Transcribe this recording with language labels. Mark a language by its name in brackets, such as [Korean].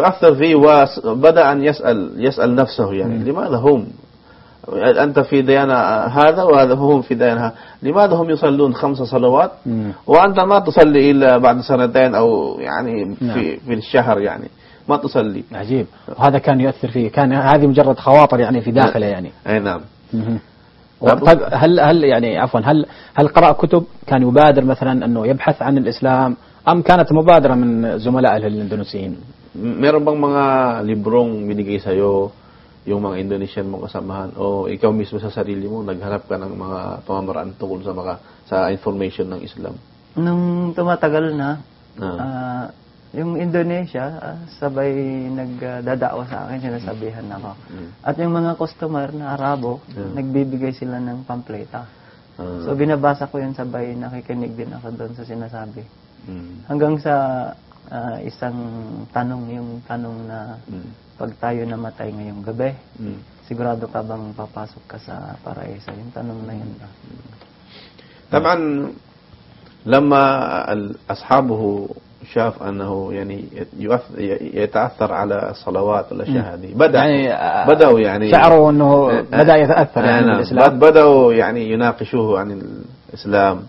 [Arabic] يؤثر فيه وبدا ان يسال نفسه يعني لماذا هم انت في ديانه هذا وهذا هم في ديانها لماذا هم يصلون 5 صلوات وانت ما تصلي الا بعد سنتين او يعني في الشهر يعني ما تصلي عجيب وهذا كان يؤثر فيه كان هذه مجرد خواطر يعني في داخله يعني اي نعم طيب هل يعني عفوا هل قرا كتب كان يبادر مثلا انه يبحث عن الاسلام ام كانت مبادره من زملاء الاندونيسيين [Filipino] meron bang mga librong binigay sa iyo yung mga Indonesian mong kasamahan o ikaw mismo sa sarili mo naghanap ka ng mga pamamaraan tungkol sa mga sa information ng Islam nung tumatagal na yung Indonesia sabay nagdadaawa sa akin sinasabihan ako at yung mga customer na Arabo nagbibigay sila ng pampleta so binabasa ko yun sabay nakikinig din ako doon sa sinasabi hanggang sa isang tanong yung tanong na pag tayo namatay ngayong gabi sigurado ka bang papasok ka sa paraiso yung tanong na yun [Arabic] taman lama ashabuhu شاف انه يعني يتاثر على الصلوات والاشياء هذه بداوا يعني شعروا انه بدا يتاثر عن الاسلام بداوا يعني يناقشوه عن الاسلام